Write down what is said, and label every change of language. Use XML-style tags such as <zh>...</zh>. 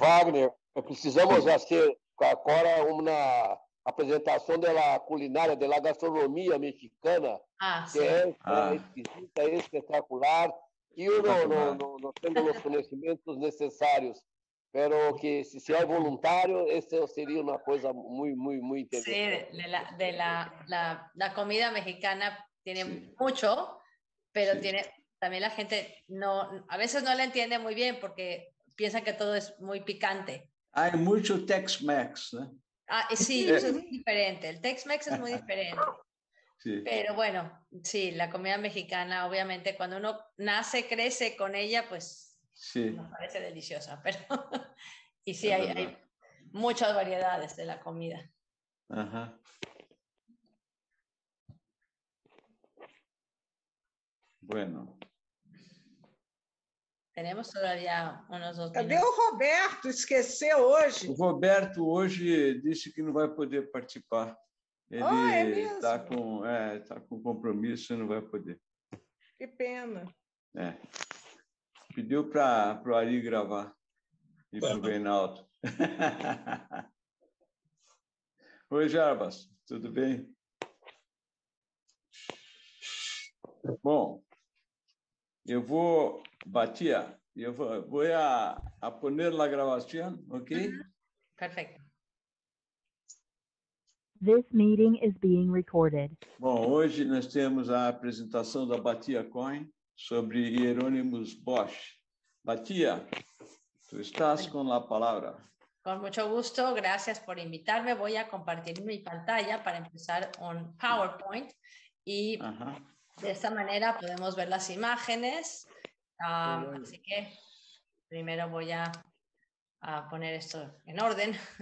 <pt>Wagner, precisamos hacer agora uma apresentação da culinária, da gastronomia mexicana. Ah, que sim. É exquisita, é espetacular. E eu não tenho os conhecimentos necessários.</pt> <es>Pero que si es voluntario, eso sería una cosa muy, muy, muy interesante. Sí, de la comida mexicana tiene sí. Mucho, pero sí. Tiene también la gente, no, a veces no la entiende muy bien porque piensan que todo es muy picante. Hay mucho Tex-Mex, ¿no? Ah, sí, eso es muy diferente. El Tex-Mex es muy diferente. Sí. Pero bueno, sí, la comida mexicana, obviamente, cuando uno nace, crece con ella, pues... Sí. Nos parece deliciosa, pero... Y sí, hay muchas variedades de la comida. Ajá. Bueno. Tenemos todavía unos dos...</es> <pt>Cadê o Roberto? Esqueceu hoje. O Roberto hoje disse que não vai poder participar. Ele está com compromisso e não vai poder. Que pena. É. Pediu para o Ari gravar e para o Reinaldo. Oi, Jarbas, tudo bem? Bom, eu vou bater, eu vou</pt> <es>poner la gravación,</es> <pt>ok? Perfeito.</pt> <en>This meeting is being recorded.</en> <pt>Bom, hoje nós temos a apresentação da Batia Coin sobre Hieronymus Bosch.</pt> <es>Batia, tú estás con la palabra. Con mucho gusto, gracias por invitarme. Voy a compartir mi pantalla para empezar un PowerPoint y de esta manera podemos ver las imágenes. Así que primero voy a poner esto en orden.</es>